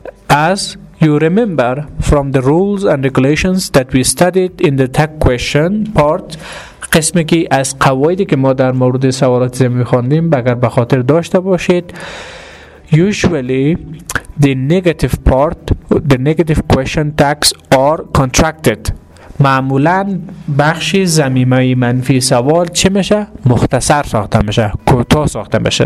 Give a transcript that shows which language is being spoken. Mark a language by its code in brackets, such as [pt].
[en] As you remember from the rules and regulations that we studied in the tag question part, [fa] قسمی که از قواعدی که ما در مورد سوالات زمینه خواندیم اگر به خاطر داشته باشید, [en] usually the negative part, the negative question tags are contracted. [fa] معمولاً بخش ضمیمه منفی سوال چه میشه؟ مختصر ساخته میشه، کوتاه ساخته میشه.